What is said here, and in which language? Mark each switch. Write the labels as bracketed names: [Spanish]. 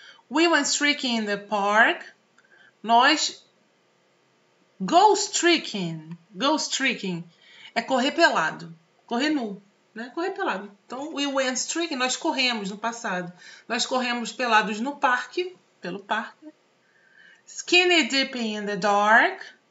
[English] We went streaking in the park. [Portuguese] Nós. [English] Ghost streaking [Portuguese] é correr pelado. Correr nu, né? Correr pelado. Então, [English] we went streaking, [Portuguese] nós corremos no passado. Nós corremos pelados no parque, pelo parque. [English] Skinny dipping in the dark.